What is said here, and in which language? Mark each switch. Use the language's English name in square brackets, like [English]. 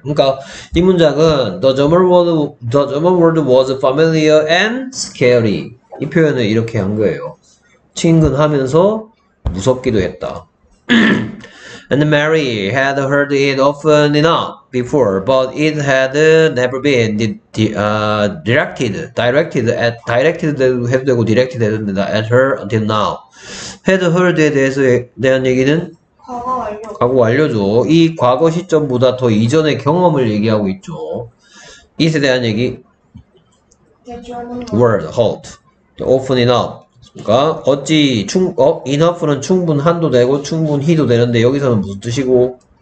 [Korean] 그러니까 이 문장은 [English] the German word was familiar and scary. [Korean] 이 표현을 이렇게 한 거예요. 친근하면서 무섭기도 했다. [English] And Mary had heard it often enough before, but it had never been directed at her until now. Had heard it [Korean] 에 대한 얘기는 과거 완료죠. 이 과거 시점보다 더 이전의 경험을 얘기하고 있죠. 이에 대한 얘기. [English] Word halt. Often enough. [Korean] 그러니까 어찌 enough는 충분한도 되고 충분히도 되는데 여기서는 무슨 뜻이고